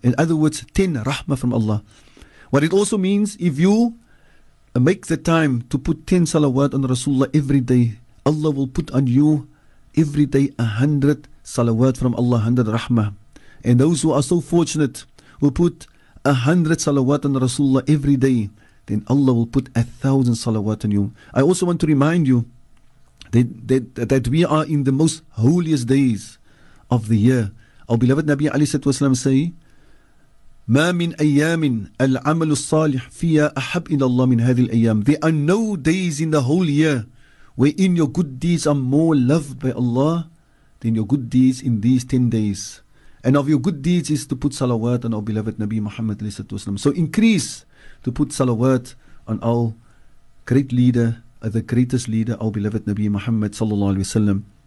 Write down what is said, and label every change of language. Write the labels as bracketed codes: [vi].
[en] In other words, 10 rahmah from Allah. What it also means, if you make the time to put 10 salawat on Rasulullah every day, Allah will put on you every day 100 salawat from Allah, 100 rahmah. And those who are so fortunate, who put 100 salawat on Rasulullah every day, then Allah will put 1,000 salawat on you. I also want to remind you that we are in the most holiest days of the year. Our beloved Nabi alayhi salatu wasalam say, [ar] مَا مِنْ أَيَّامٍ الْعَمَلُ الصَّالِحُ فِيَا أَحَبْ إِلَى اللَّهِ مِنْ هَذِي الْأَيَّامِ. [en] There are no days in the whole year wherein your good deeds are more loved by Allah than your good deeds in these 10 days. And of your good deeds is to put salawat on our beloved Nabi Muhammad alayhi salatu wasalam. So increase to put salawat on our great leader, the greatest leader, our beloved Nabi Muhammad sallallahu alayhi wasalam.